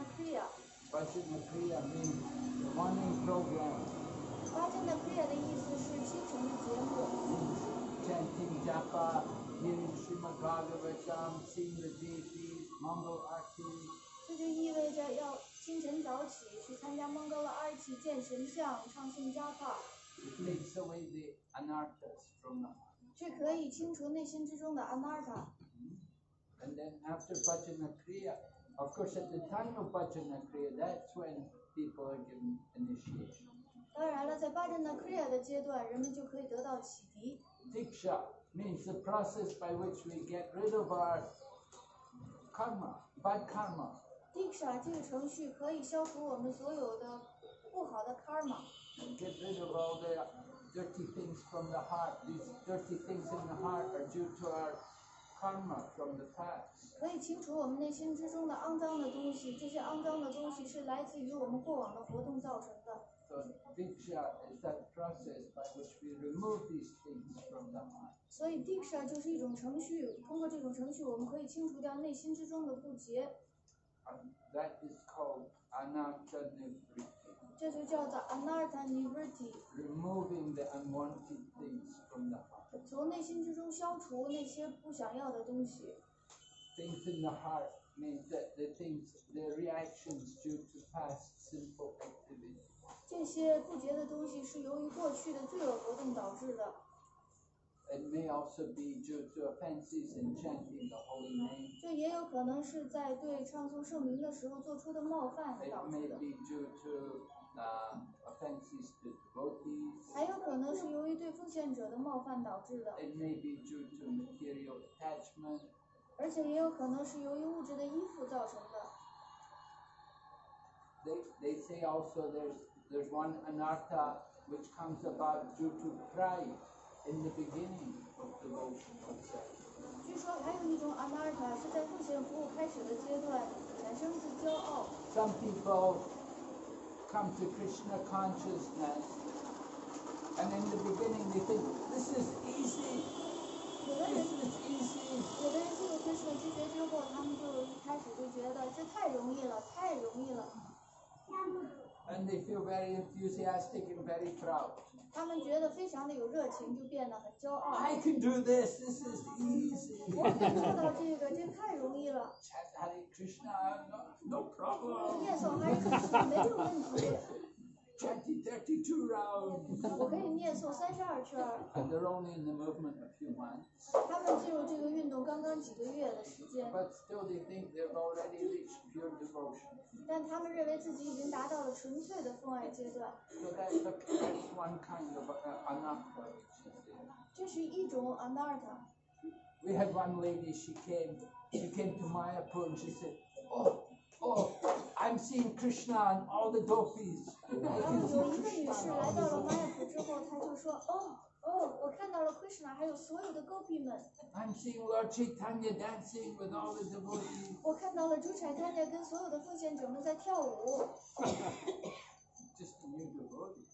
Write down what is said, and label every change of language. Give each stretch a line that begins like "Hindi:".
English: Bhajana Kriya means the morning program.
Chinese: Bhajana Kriya 的意思是清晨的节目。
English: Chanting Japa, hearing Srimad Bhagavatam, seeing the deities, Mangal Arti.
Chinese: 这就意味着要清晨早起去参加蒙哥拉阿奇见神像唱诵加法。
English: It takes away the anarthas from the heart.
Chinese: 这可以清除内心之中的 anartha。
English: And then after Bhajana Kriya, of course at the time of Bhajana Kriya, that's when people are given initiation.
Chinese: 当然了，在 Bhajana Kriya 的阶段，人们就可以得到启迪。
English: Diksha means the process by which we get rid of our karma. Bad karma.
Chinese: Diksha, 这个程序可以消除我们所有的不好的 karma.
English: Get rid of all the dirty things from the heart. These dirty things in the heart are due to our karma from the past.
Chinese: 可以清除我们内心之中的肮脏的东西，这些肮脏的东西是来自于我们过往的活动造成的。
English: So Diksha is that process by which we remove these things from the heart.
Chinese: 所以 Diksha 就是一种程序，通过这种程序我们可以清除掉内心之中的不洁。
English: That is called Anartha Nivritti.
Chinese: 这就叫做 Anartha Nivritti.
English: Removing the unwanted things from the heart.
Chinese: 从内心之中消除那些不想要的东西。
English: Things in the heart means that the things, the reactions due to past sinful activities.
Chinese: 这些不洁的东西是由于过去的罪恶活动导致的。
English: It may also be due to offenses in chanting the holy name.
Chinese: 这也有可能是在对唱诵圣名的时候做出的冒犯导致的。
English: It may be due to offenses to devotees.
Chinese: 还有可能是由于对奉献者的冒犯导致的。
English: It may be due to material attachment.
Chinese: 而且也有可能是由于物质的依附造成的。
English: They say also there's one anartha which comes about due to pride in the beginning of devotion itself.
Chinese: 据说还有一种 anartha 是在奉献服务开始的阶段产生自骄傲。
English: Some people come to Krishna consciousness and in the beginning they think this is easy.
Chinese: 有的人是 easy. 有的人进入 Krishna 之觉之后，他们就一开始就觉得这太容易了，太容易了。
English: And they feel very enthusiastic and very proud.
Chinese: 他们觉得非常的有热情，就变得很骄傲。
English: I can do this. This is easy.
Chinese: 我可以做到这个，这太容易了。
English: Chant Hare Krishna, no problem.
Chinese: Yes, Hare Krishna, 没有问题。
English: Chanting 32 rounds.
Chinese: 我可以念诵三十二圈。
English: And they're only in the movement a few months.
Chinese: 他们进入这个运动刚刚几个月的时间。
English: But still, they think they've already reached pure devotion.
Chinese: 但他们认为自己已经达到了纯粹的奉爱阶段。
English: So that's one kind of anartha.
Chinese: 这是一种 anartha.
English: We had one lady. She came to Mayapur and she said, Oh. I'm seeing Krishna and all the gopis.
Chinese: 有一个女士来到了 Mayapur 之后，她就说：“我看到了 Krishna 还有所有的 gopi 们。 ”I'm seeing Lord Chaitanya dancing with all the devotees. 我看到了 Chaitanya 跟所有的奉献者们在跳舞。
English: Just a new devotee.